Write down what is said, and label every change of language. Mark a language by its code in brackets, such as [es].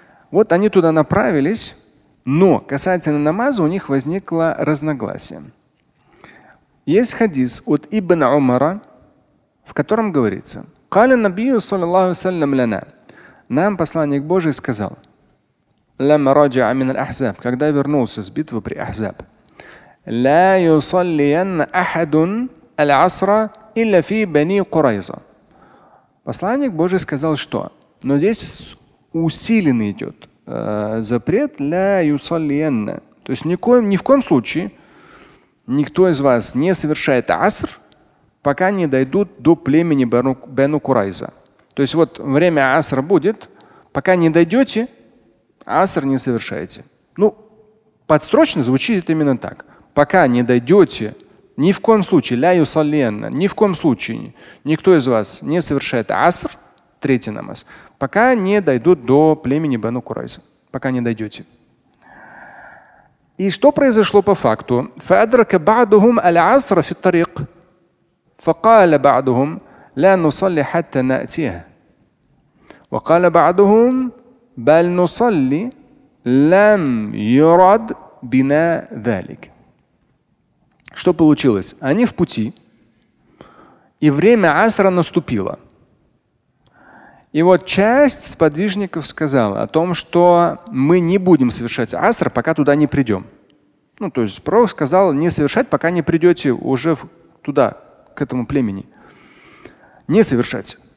[ru] Вот они туда направились, но касательно намаза у них возникло разногласие. Есть хадис от Ибн Умара, в котором говорится, [ar] قال النبي صلى الله عليه وسلم لنا. [ru] Нам посланник Божий сказал. [ar] لما رجع من الأحزاب. [ru] Когда вернулся с битвы при Ахзаб. [ar] لا يصلين أحد العصر إلا في بني قريظة. [ru] Посланник Божий сказал, что? Но здесь усиленный идет запрет. [ar] لا يصلين. [ru] То есть ни в коем случае никто из вас не совершает аср, пока не дойдут до племени Бену Курайза. То есть вот время Аср будет, пока не дойдете, Аср не совершаете. Ну, подстрочно звучит это именно так. Пока не дойдете, ни в коем случае, [ar] ля юсалленна, [ru] ни в коем случае никто из вас не совершает Аср, третий намаз, пока не дойдут до племени Бену Курайза, пока не дойдете. И что произошло по факту? [ar] Фадрака ба'духум аля Асра фит тариқ. فقال بعضهم لا نصلي حتى نأتيها وقال بعضهم بل نصلي لم يرد بنا ذلك. [ru] Что получилось? Они в пути, и время Асра наступило. И вот часть сподвижников сказала о том, что мы не будем совершать Аср, пока туда не придем. Ну, то есть пророк сказал не совершать, пока не придете уже туда, к этому племени, не совершать.